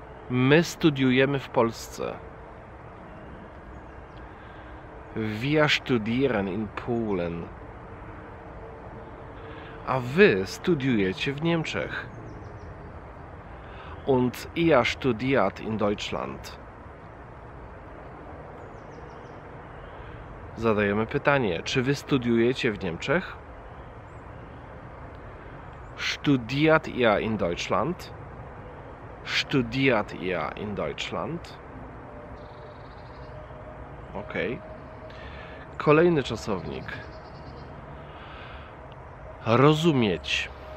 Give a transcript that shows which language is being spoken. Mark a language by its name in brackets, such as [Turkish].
[Polish] My studiujemy w Polsce. [German] Wir studieren in Polen. [Polish] A wy studiujecie w Niemczech. [German] Und ihr studiert in Deutschland. [Polish] Zadajemy pytanie. Czy wy studiujecie w Niemczech? [German] Studiert ihr in Deutschland? Studiert ihr in Deutschland? [Polish] Ok. Kolejny czasownik. Rozumieć.